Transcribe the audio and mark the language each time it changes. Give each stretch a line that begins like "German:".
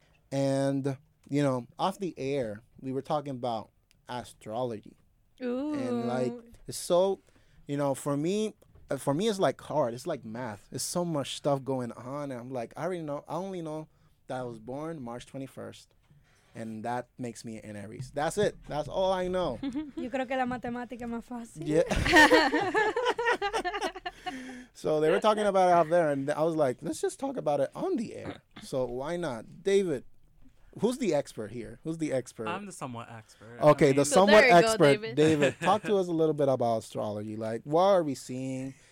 English: And, you know, off the air, we were talking about astrology. Ooh. And, like, it's so, you know, for me, it's, like, hard. It's like math. It's so much stuff going on. And I'm like, I only know that I was born March 21st. And that makes me an Aries. That's it. That's all I know.
Spanish: Yo creo que la matemática es más fácil.
English: Yeah. So they were talking about it out there, and I was like, let's just talk about it on the air. So why not? David, who's the expert here? Who's the expert? I'm the somewhat expert. Okay, the somewhat expert. David, talk to us a little bit about astrology. Like, what are we seeing?